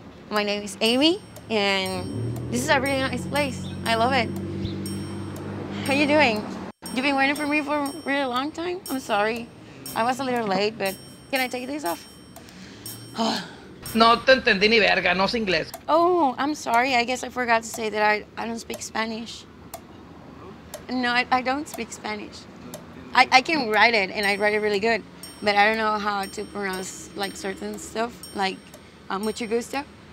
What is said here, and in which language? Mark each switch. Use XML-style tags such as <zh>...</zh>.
<en>My name is Amy, and this is a really nice place. I love it. How you doing? You've been waiting for me for a really long time? I'm sorry. I was a little late, but can I take this off? Oh.</en> <es>No te entendí ni verga, no sé inglés.</es> <en>Oh, I'm sorry. I guess I forgot to say that I don't speak Spanish. No, I don't speak Spanish. I can write it, and I write it really good, but I don't know how to pronounce like certain stuff, like</en> <es>mucho gusto.</es>